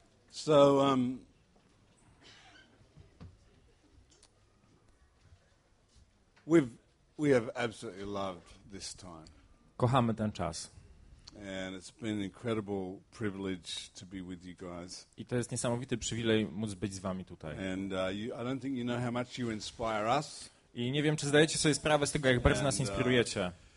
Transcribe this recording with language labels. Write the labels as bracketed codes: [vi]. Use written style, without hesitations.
[en] So, we have absolutely loved this time. [pl] Kochamy ten czas. [en] And it's been an incredible privilege to be with you guys. [pl] I to jest niesamowity przywilej móc być z wami tutaj. [en] And I don't think you know how much you inspire us. [pl] I nie wiem, czy zdajecie sobie sprawę z tego, jak bardzo nas inspirujecie.